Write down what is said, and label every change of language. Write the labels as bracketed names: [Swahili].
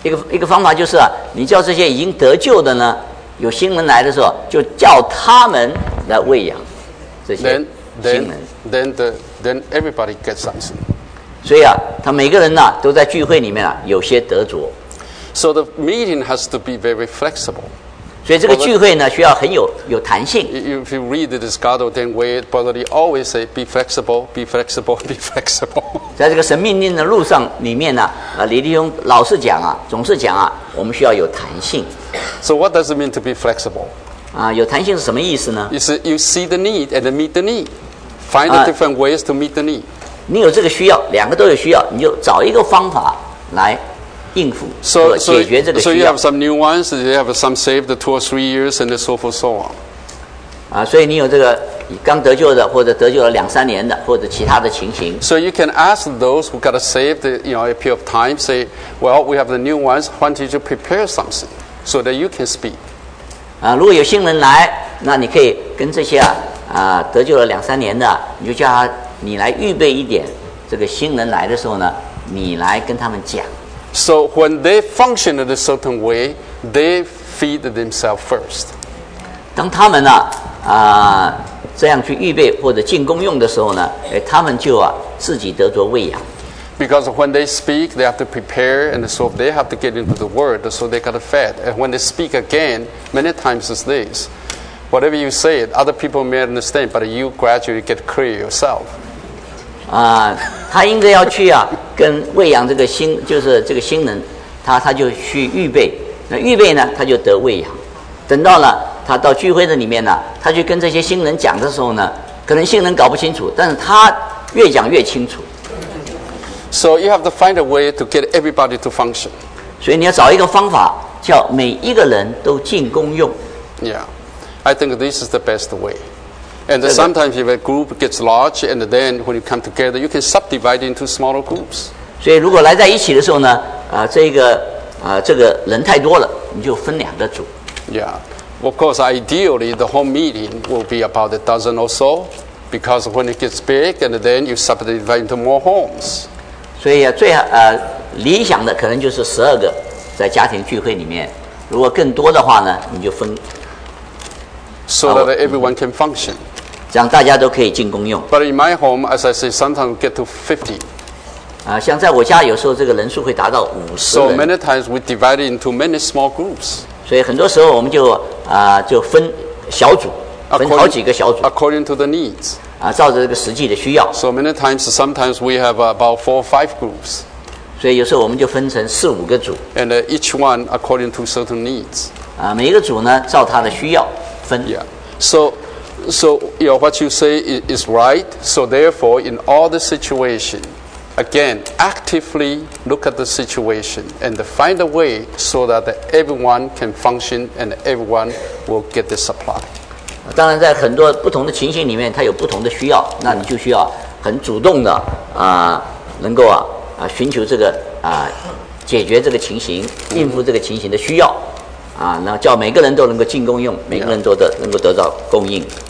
[Chinese] 一个方法就是啊, 你叫这些已经得救的呢, 有新人来的时候, 就叫他们来喂养, 这些新人。 [English] then everybody gets something. [Chinese] 所以啊, 他每个人啊, 都在聚会里面啊, 有些得着。 [English] So the meeting has to be very flexible. [Chinese] 所以这个聚会呢, 需要很有, 有弹性。 [English] If you read the discardo, then we probably always say, be flexible, be flexible, be flexible. [Chinese] 在这个神命令的路上, 里面啊, 李弟兄老是讲啊, 总是讲啊, 我们需要有弹性。 [English] So what does it mean to be flexible? [Chinese] 有弹性是什么意思呢? [English] It's you see the need and meet the need. Find the different ways to meet the need. [Chinese] 你有这个需要, 两个都有需要, 你就找一个方法来应付, [English] so you have some new ones, you have some saved 2 or 3 years, and so forth, so on. [Chinese] 所以你有这个刚得救的, 或者得救了两三年的, 或者其他的情形。 [English] So you can ask those who got saved, you know, a period of time, say, well, we have the new ones, why don't you prepare something? So that you can speak. [Chinese] 如果有新人来, 那你可以跟这些啊, 得救了两三年的, 你就叫他你来预备一点, 这个新人来的时候呢, 你来跟他们讲。 [English] So when they function in a certain way, they feed themselves first. [Chinese] 当他们啊, 这样去预备, 或者进功用的时候呢, 他们就啊, 自己得着喂养。 [English] Because when they speak, they have to prepare, and so they have to get into the word, so they got fed. And when they speak again, many times it's this. Whatever you say, other people may understand, but you gradually get clear yourself. [Chinese] 他应该要去啊，跟喂养这个新，就是这个新人，他就去预备。那预备呢，他就得喂养。等到了他到聚会的里面呢，他去跟这些新人讲的时候呢，可能新人搞不清楚，但是他越讲越清楚。 [English] So you have to find a way to get everybody to function. [Chinese] 所以你要找一个方法，叫每一个人都进功用。 [English] Yeah, I think this is the best way. And sometimes if a group gets large, and then when you come together, you can subdivide into smaller groups. [Chinese] 所以如果来在一起的时候呢，这个人太多了，你就分两个组。 [English] Yeah, of course, ideally the whole meeting will be about a dozen or so, because when it gets big, and then you subdivide into more homes. [Chinese] 所以最理想的可能就是十二个在家庭聚会里面，如果更多的话呢，你就分。 [English] So that everyone can function. [Chinese] 这样大家都可以进功用。 [English] But in my home, as I say, sometimes get to 50. [Chinese] 像在我家有时候这个人数会达到50人。 [English] So many times we divide into many small groups. [Chinese] 所以很多时候我们就分小组，分好几个小组。 [English] According to the needs. [Chinese] 照着这个实际的需要。 [English] So many times, sometimes we have about 4 or 5 groups. [Chinese] 所以有时候我们就分成四五个组。 [English] And each one according to certain needs. [Chinese] 每一个组呢，照他的需要。 [English] Yeah. So you know, what you say is right. So therefore, in all the situation, again, actively look at the situation and find a way so that everyone can function and everyone will get the supply. [Chinese] 当然，在很多不同的情形里面，它有不同的需要。那你就需要很主动的能够寻求这个解决这个情形，应付这个情形的需要。那叫每个人都能够进功用，每个人都能够得到供应。